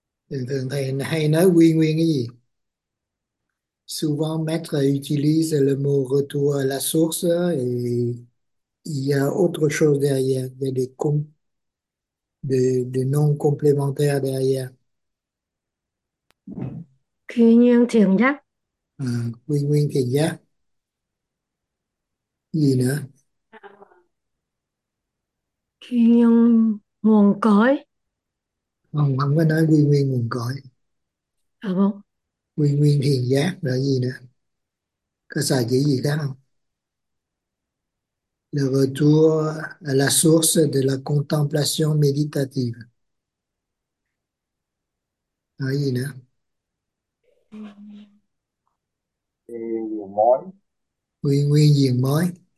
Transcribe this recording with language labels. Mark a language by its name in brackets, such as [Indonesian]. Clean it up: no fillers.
[Vietnamese] Thường thường thầy hay nói quy nguyên cái gì? [French] Souvent, maître utilise le mot retour à la source et il y a autre chose derrière, il y a des noms complémentaires derrière. [Vietnamese] Quy nguyên thiền giác. Quy nguyên thiền giác. Gì nữa? Nguyên nguồn cõi. Không có nói quy nguyên nguồn cội. À không? Quy nguyên thiền giác là gì nữa, có xài chữ gì khác không? [French] Le retour à la source de la contemplation méditative. [Vietnamese] Nói gì nữa? Quy nguyên diện mới.